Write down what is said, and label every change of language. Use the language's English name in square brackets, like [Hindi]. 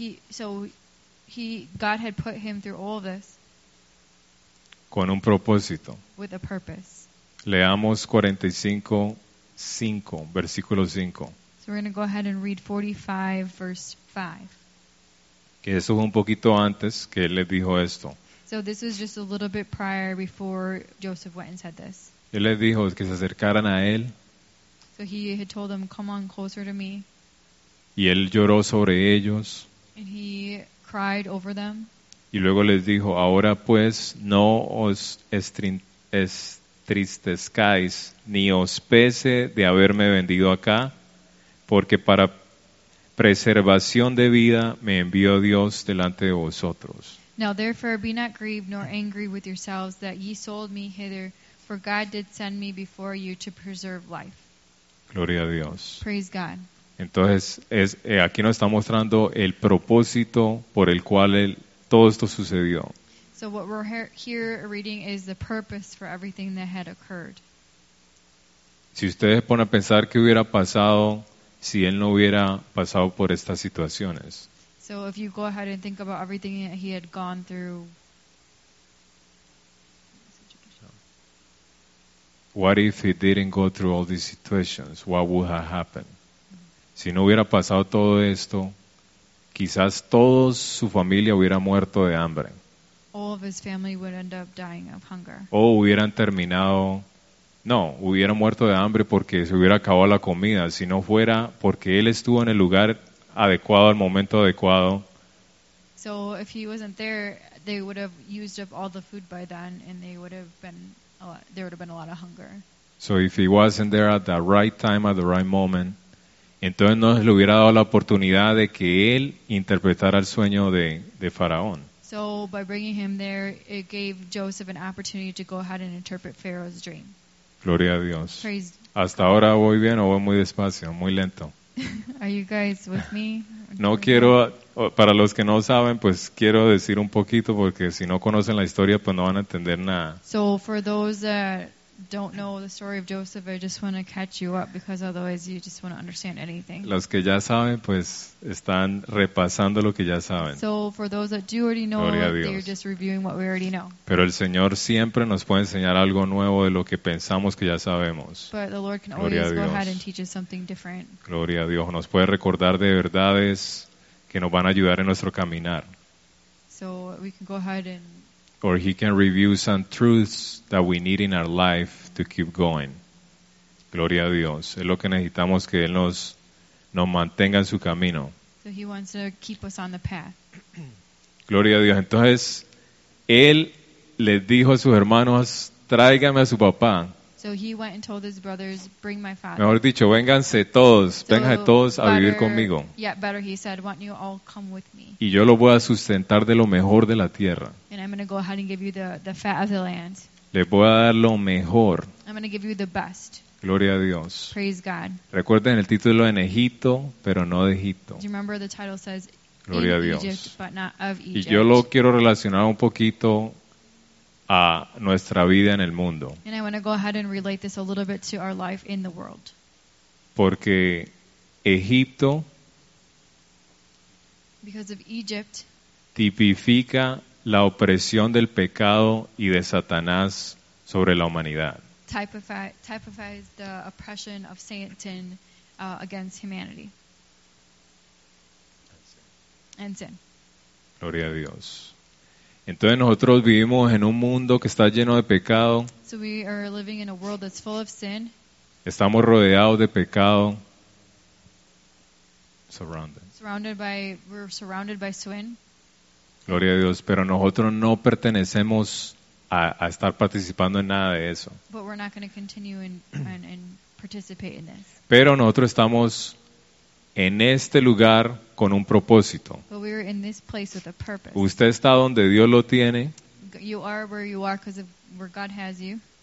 [English] So God had put him through all of this. [Spanish] Con un propósito. [English] With a purpose. [Spanish] Leamos 45:5, versículo 5. [English] So we're going to go ahead and read 45, verse 5. [Spanish] Que eso fue un poquito antes que él les dijo esto. [English] So this was just a little bit prior before Joseph went and said this. [Spanish] Él les dijo que se acercaran a él. [English] So he had told them, come on closer to me. [Spanish] Y él lloró sobre ellos. [English] And he cried over them. [Spanish] Y luego les dijo, ahora pues no os estristezcáis ni os pese de haberme vendido acá, porque para preservación de vida me envió Dios delante de vosotros. [English] Now therefore be not grieved nor angry with yourselves that ye sold me hither, for God did send me before you to preserve life. [Spanish] Gloria a Dios. [English] Praise God. [Spanish] Entonces, aquí nos está mostrando el propósito por el cual todo esto sucedió. [English] So what we're here reading is the purpose for everything that had occurred. [Spanish] Si ustedes ponen a pensar qué hubiera pasado si él no hubiera pasado por estas situaciones. [English] So if you go ahead and think about everything that he had gone through. What if he didn't go through all these situations? What would have happened? [Spanish] Si no hubiera pasado todo esto, quizás toda su familia hubiera muerto de hambre. [English] All of his family would end up dying of hunger. [Spanish] O hubieran terminado. No, hubieran muerto de hambre porque se hubiera acabado la comida. Si no fuera porque él estuvo en el lugar adecuado al momento adecuado. [English] So if he wasn't there, they would have used up all the food by then and there would have been a lot of hunger. So if he wasn't there at the right time, at the right moment, [Spanish] entonces no le hubiera dado la oportunidad de que él interpretara el sueño de Faraón. [English] So by bringing him there, it gave Joseph an opportunity to go ahead and interpret Pharaoh's dream. [Spanish] Gloria a Dios. [English] Praise. [Spanish] Hasta ahora voy bien o voy muy despacio, muy lento. [English] Are you guys with me? [Spanish] No quiero, para los que no saben, pues quiero decir un poquito porque si no conocen la historia, pues no van a entender nada. [English] So for those that don't know the story of Joseph, I just want to catch you up because otherwise you just won't understand anything. [Spanish] Los que ya saben, pues están repasando lo que ya saben. [English] So for those that do already know, they're just reviewing what we already know. [Spanish] Pero el Señor siempre nos puede enseñar algo nuevo de lo que pensamos que ya sabemos. [English] But the Lord can always go ahead and teach us something different. [Spanish] Gloria a Dios. Nos puede recordar de verdades que nos van a ayudar en nuestro caminar. [English] So we can go ahead and or he can review some truths that we need in our life to keep going. [Spanish] Gloria a Dios. Es lo que necesitamos, que Él nos mantenga en su camino. [English] So he wants to keep us on the path. [Spanish] Gloria a Dios. Entonces, Él les dijo a sus hermanos, tráigame a su papá. [English] So he went and told his brothers, bring my father. [Spanish] Mejor dicho, vénganse todos, vengan todos a vivir conmigo. [English] Yeah, better he said, want you all come with me. [Spanish] Y yo lo voy a sustentar de lo mejor de la tierra. [English] And I'm going to go ahead and give you the fat of the land. [Spanish] Le voy a dar lo mejor. [English] I'm going to give you the best. [Spanish] Gloria a Dios. [English] Praise God. [Spanish] Recuerden el título en Egipto, pero no de Egipto. [English] Do you remember the title says, [Spanish] Gloria [English] in [Spanish] a Dios. [English] Egypt, but not of Egypt. [Spanish] Y yo lo quiero relacionar un poquito a nuestra vida en el mundo. [English] And I want to go ahead and relate this a little bit to our life in the world. [Spanish] Porque Egipto, [English] because of Egypt, [Spanish] tipifica la opresión del pecado y de Satanás sobre la humanidad. [English] Typifies the oppression of Satan against humanity. And sin. [Spanish] Gloria a Dios. Entonces nosotros vivimos en un mundo que está lleno de pecado. [English] So we are living in a world that's full of sin. [Spanish] Estamos rodeados de pecado. [English] We're surrounded by sin. [Spanish] Gloria a Dios, pero nosotros no pertenecemos a estar participando en nada de eso. [English] But we're not going to continue and participate in this. [Spanish] Pero nosotros estamos en este lugar con un propósito. [English] But we're in this place with a purpose. [Spanish] Usted está donde Dios lo tiene. [English] You are where you are because of where God has you.